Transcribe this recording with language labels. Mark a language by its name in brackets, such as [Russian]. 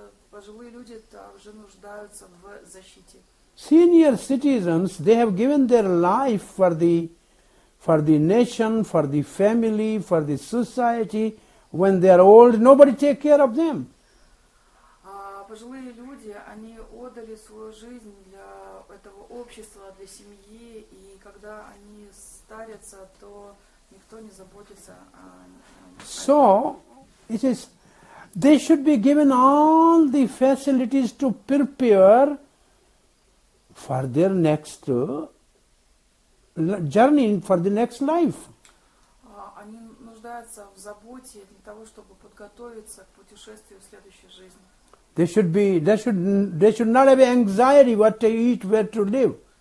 [Russian] Пожилые люди также нуждаются в защите. [English] Senior citizens, they have given their life for the nation, for the family, for the society. When they are old, nobody take care of them. [Russian] Пожилые люди, они отдали свою жизнь для этого общества, для семьи, и когда они старятся, то никто не заботится о них. [English] So, it is. They should be given all the facilities to prepare for their next journey, for the next life. [Russian] Они нуждаются в заботе для того, чтобы подготовиться к путешествию в следующей жизни. [English] They should not have anxiety what to eat, where to live.